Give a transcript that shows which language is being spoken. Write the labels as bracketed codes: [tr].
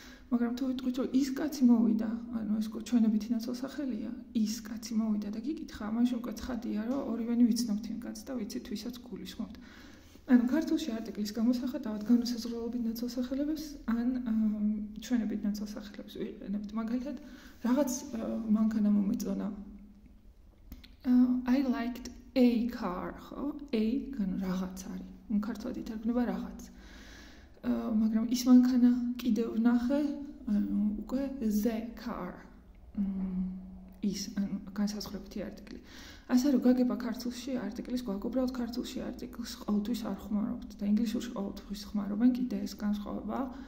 [ka] მაგრამ თუ ვიტყვით, რომ ის კაცი მოვიდა, ანუ ეს ჩვენებითი ნაცვალსახელია, ის კაცი მოვიდა და გიკითხა, მაშინ უკვე ცხადია, რომ ორივენი ვიცნობთ იმ კაცს და ვიცით, ვისაც გულისხმობთ. ანუ ქართულში არტიკლის გამოსახატავად განუსაზღვრელობით ნაცვალსახელებს ან ჩვენებით ნაცვალსახელებს ვიყენებთ. მაგალითად, რაღაც მანქანა მომეწონა. [en] I liked a car, [ka] ხო? A, ანუ რაღაც არის. ან ქართულად ითარგმნება რაღაც. მაგრამ ის მანქანა კიდევ ვნახე, ანუ უკვე [en] the car. [ka] ის ანუ განსაზღვრებითი არტიკლი. ასე რომ გაგება ქართულში არტიკლის გვაგობრავთ, ქართულში არტიკლს ყოველთვის არ ხმარობთ და ინგლისურში ყოველთვის ხმარობენ, კიდე ეს განსხვავება.